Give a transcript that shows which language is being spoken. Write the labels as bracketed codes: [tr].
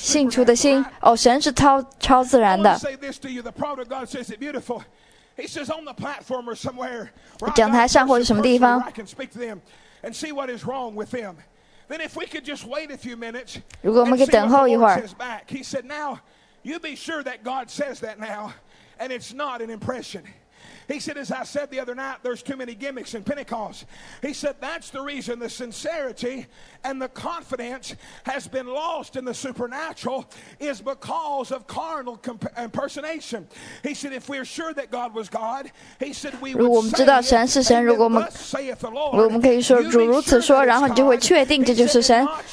[zh] 信徒的心哦，神是超自然的。 [en] I want to say this to you. The prophet of God says it beautiful. He says on the platform or somewhere. [zh] 讲台上或者什么地方。 [en] I can speak to them and see what is wrong with them. Then if we could just wait a few minutes. [zh] 如果我们可以等候一会儿。 [en] He said, "Now you be sure that God says that now, and it's not an impression." He said, as I said the other night, there's too many gimmicks in Pentecost. He said, that's the reason the sincerity and the confidence has been lost in the supernatural is because of carnal impersonation. He said, if we're sure that God was God, he said, we would say it, and then thus saith the Lord. [zh] 如果我们可以说主如此说，然后你就会确定这就是神。